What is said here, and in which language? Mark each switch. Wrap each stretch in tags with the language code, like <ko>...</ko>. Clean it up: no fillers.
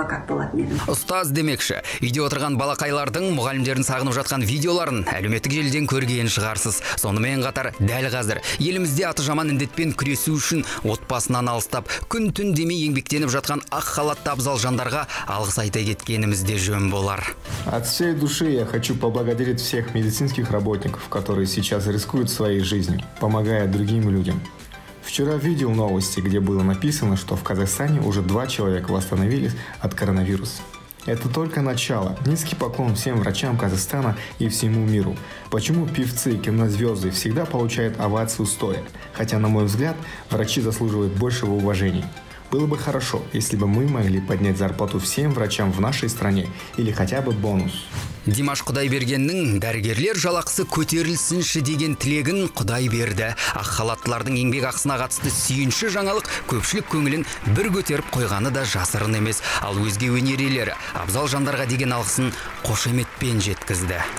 <kk>ұстаз демекші, үйде отырған балақайлардың мұғалімдерін сағынып жатқан видеоларын әлеуметтік желіден көрген шығарсыз. Сонымен қатар дәл қазір елімізде аты жаман індетпен күресу үшін отбасынан алыстап, күн-түн демей еңбектеніп жатқан ақ халатты абзал жандарға алғыс айта кеткенімізде жөн болар.</kk> <ru>От всей души я хочу поблагодарить всех медицинских работников, которые сейчас рискуют своей жизнью, помогая другим людям. Вчера видел новости, где было написано, что в Казахстане уже 2 человека восстановились от коронавируса. Это только начало. Низкий поклон всем врачам Казахстана и всему миру. Почему певцы и кинозвезды всегда получают овацию стоя? Хотя, на мой взгляд, врачи заслуживают большего уважения. Было бы хорошо, если бы мы могли поднять зарплату всем врачам в нашей стране или хотя бы бонус.</ru> <kk>Димаш Құдайбергеннің дәрігерлер жалақсы көтерілсінші деген тілегін Құдайберді. Ақ халаттылардың еңбек ақысына қатысты сүйінші жаңалық көпшілік көңілін бір көтеріп қойғаны да жасырын емес. Ал өзге өнерелері абзал жандарға деген алғысын қошеметпен жеткізді.</kk>